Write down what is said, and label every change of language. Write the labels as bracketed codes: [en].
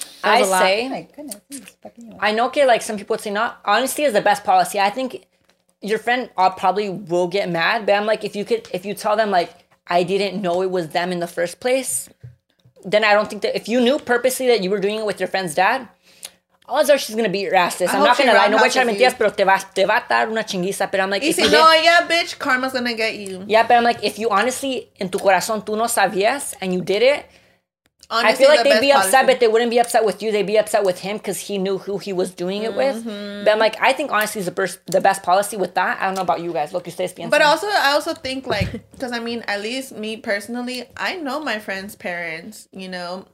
[en] I say, my goodness, I know, okay, like some people would say not. Honesty is the best policy. I think your friend probably will get mad, but I'm like, if you tell them, like, I didn't know it was them in the first place, then I don't think that if you knew purposely that you were doing it with your friend's dad, odds are she's gonna beat your ass. I'm not gonna lie. [es] No voy a echar mentiras, pero te va a dar una chinguiza. [en] But I'm like, [es] y si no, [en] get, yeah, bitch, karma's gonna get you. Yeah, but I'm like, if you honestly, [es] en tu corazón, tú no sabías [en] and you did it, honestly, I feel like the they'd be upset, policy. But they wouldn't be upset with you. They'd be upset with him because he knew who he was doing it with. But I'm like, I think honesty is the best policy with that. I don't know about you guys. Look, you say it's. But also, I also think, like, because, I mean, at least me personally, I know my friend's parents, you know.